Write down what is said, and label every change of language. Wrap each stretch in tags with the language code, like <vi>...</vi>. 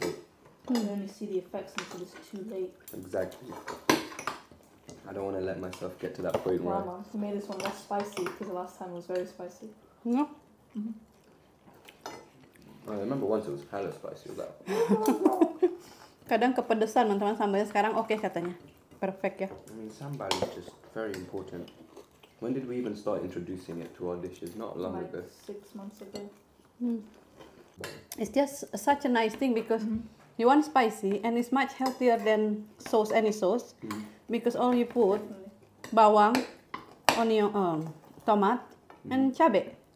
<en>You can only see the effects until it's too late. Exactly. I don't want to let myself get to that point where... Mama, you made this one less spicy because the last time was very spicy. Yeah. Mm-hmm. I remember once it was hella spicy, that.</en> <id>Kadang kepedesan, teman-teman, sambalnya sekarang oke katanya.</id> <en>Perfect, ya. I mean, sambal is just very important. When did we even start introducing it to our dishes? Not long like ago. Like 6 months ago. Mm. It's just such a nice thing because you want spicy and it's much healthier than sauce, any sauce. Mm. Because all you put, bawang, onion, tomat, and cabe.</en>